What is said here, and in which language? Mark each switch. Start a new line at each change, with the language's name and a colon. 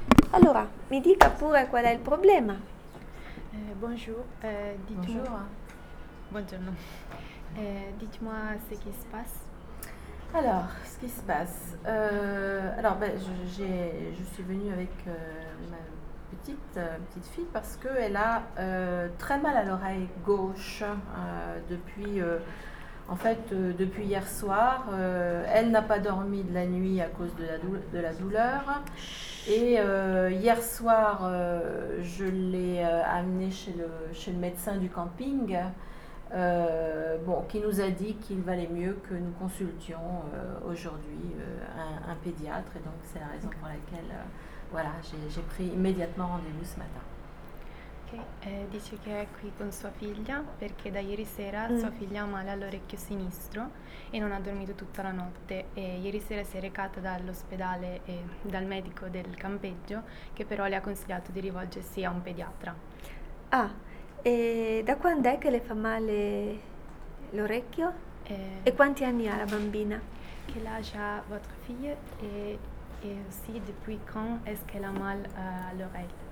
Italian: Allora, mi dica pure qual è il problema.
French: Bonjour, bonjour.
Italian: Buongiorno.
French: Dites-moi ce qui se passe. Alors, ce qui se passe. Alors, ben, je suis venue avec ma petite fille parce qu'elle a très mal à l'oreille gauche depuis. En fait, depuis hier soir, elle n'a pas dormi de la nuit à cause de la douleur. Et hier soir, je l'ai amenée chez le médecin du camping, bon, qui nous a dit qu'il valait mieux que nous consultions aujourd'hui un pédiatre. Et donc, c'est la raison pour laquelle voilà, j'ai pris immédiatement rendez-vous ce matin. Okay.
Italian: Dice che è qui con sua figlia perché da ieri sera sua figlia ha male all'orecchio sinistro e non ha dormito tutta la notte e ieri sera si è recata dall'ospedale e dal medico del campeggio che però le ha consigliato di rivolgersi a un pediatra. Ah, e da quando è che le fa male l'orecchio? E quanti anni ha la bambina? Che l'ha già
French: votre figlia e aussi depuis quand est-ce qu'elle a mal à l'oreille?